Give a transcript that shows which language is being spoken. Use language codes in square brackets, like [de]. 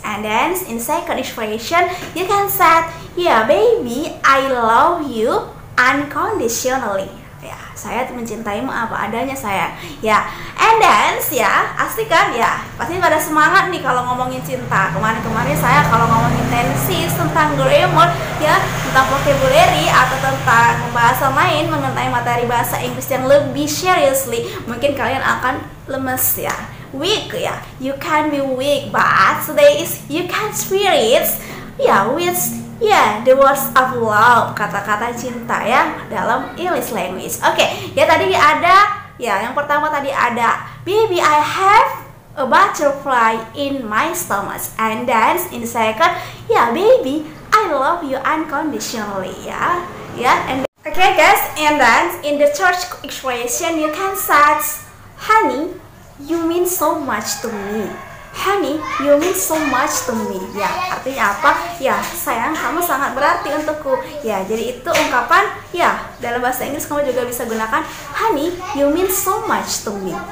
[en] And then in second expression, you can say, yeah, baby, I love you unconditionally. [id] Ya, saya mencintaimu apa adanya sayang. Ya, [en] and then [id] ya, asik kan? Ya, pasti pada semangat nih kalau ngomongin cinta. Kemarin-kemarin saya kalau ngomongin tenses tentang grammar, ya, tentang vocabulary atau tentang bahasa lain mengenai materi bahasa Inggris yang lebih seriously, mungkin kalian akan lemes ya, weak ya. [en] You can be weak, but today is you can spirit ya with yeah, the words of love, [id] kata-kata cinta ya dalam [en] English language. Oke, okay. [id] Ya tadi ada ya, yang pertama tadi ada [en] baby, I have a butterfly in my stomach. And then in second, yeah, baby, I love you unconditionally. Ya. Ya, and okay guys, and then in the third expression you can say honey, you mean so much to me. Honey, you mean so much to me. [id] Ya, artinya apa? Ya, sayang, kamu sangat berarti untukku. Ya, jadi itu ungkapan ya, dalam bahasa Inggris kamu juga bisa gunakan [en] honey, you mean so much to me.